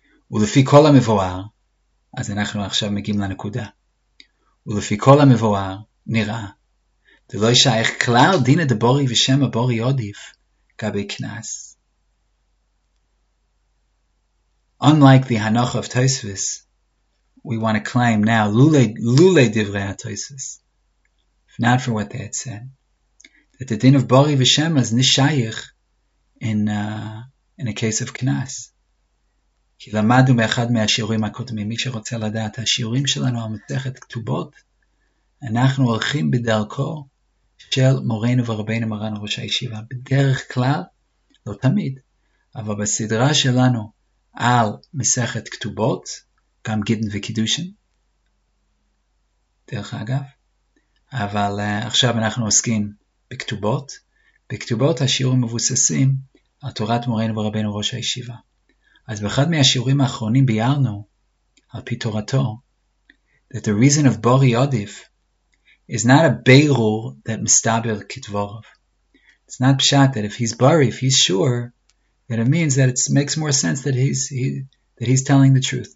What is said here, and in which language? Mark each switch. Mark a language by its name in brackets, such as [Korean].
[Hebrew] ולפי כל המבואר, אז אנחנו עכשיו מגיעים לנקודה. ולפי כל המבואר, נראה, זה לא ישייך כלל דין הדבורי ושם הבורי עודיף, גבי כנס. [English] Unlike the Hanoch of Tosfos, we want to claim now, lule divrei Tosfos, if not for what they had said, that the din of bori v'shem is nishayich in a case of knas. [Hebrew] כי למדנו באחד מהשיעורים הקודמים, מי שרוצה לדעת, השיעורים שלנו על מסכת כתובות, אנחנו הולכים בדרכו של מורנו ורבינו מרן ראש הישיבה, בדרך כלל, לא תמיד, אבל בסדרה שלנו על מסכת כתובות, גם גידן וקידושן, דרך אגב, אבל עכשיו אנחנו עוסקים בכתובות, בכתובות השיעורים מבוססים על תורת מורנו ורבינו ראש הישיבה. [English] אז באחד מהשיעורים האחרונים ביארנו, על פי תורתו, that the reason of Bori Odif is not a beirur that mistabir kitvorov. It's not pshat that if he's Bori, if he's sure, that it means that it makes more sense that he's telling the truth.